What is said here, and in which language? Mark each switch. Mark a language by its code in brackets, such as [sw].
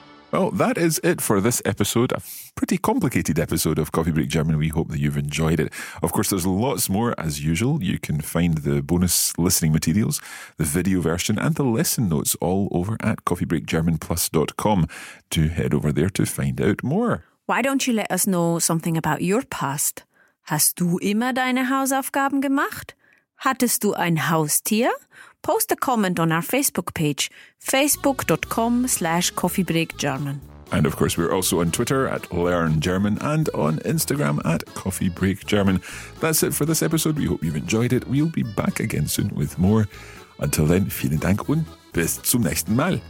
[en] Well, that is it for this episode, a pretty complicated episode of Coffee Break German. We hope that you've enjoyed it. Of course, there's lots more, as usual. You can find the bonus listening materials, the video version and the lesson notes all over at coffeebreakgermanplus.com. Do head over there to find out more. Why don't you let us know something about your past? [de] Hast du immer deine Hausaufgaben gemacht? Hattest du ein Haustier? [en] Post a comment on our Facebook page, facebook.com/coffeebreakgerman. And of course, we're also on Twitter at Learn German and on Instagram at Coffee Break German. That's it for this episode. We hope you've enjoyed it. We'll be back again soon with more. Until then, [de] vielen Dank und bis zum nächsten Mal.